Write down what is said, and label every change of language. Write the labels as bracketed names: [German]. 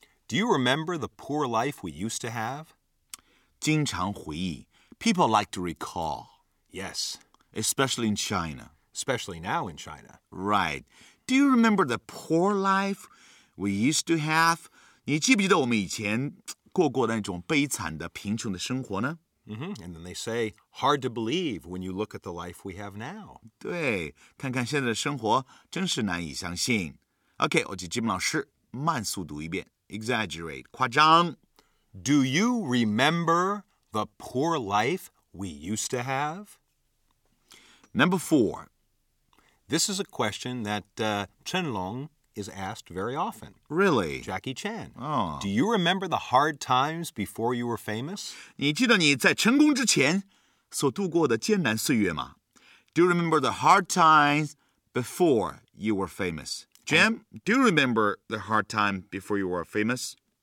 [English] Do you remember the poor life we used to have? [Chinese] 经常回忆。 [English] People like to recall. Yes. Especially in China. Especially now in China. Right. Do you remember the poor life we used to have? [Chinese] 你记不记得我们以前过那种悲惨的贫穷的生活呢、 mm-hmm. [English] And then they say, hard to believe when you look at the life we have now. [Chinese] 对，看看现在的生活真是难以相信。 [English] OK, [Chinese] 我请吉姆老师慢速读一遍。 [English] Exaggerate, [Chinese] 夸张。 [English] Do you remember the poor life we used to have? Number four. This is a question that Chen Long is asked very often. Really? Jackie Chan. Oh. Do you remember the hard times before you were famous? [Chinese] 你记得你在成功之前所度过的艰难岁月吗? [English] Do you remember the hard times before you were famous? Jim, do you remember the hard time before you were famous?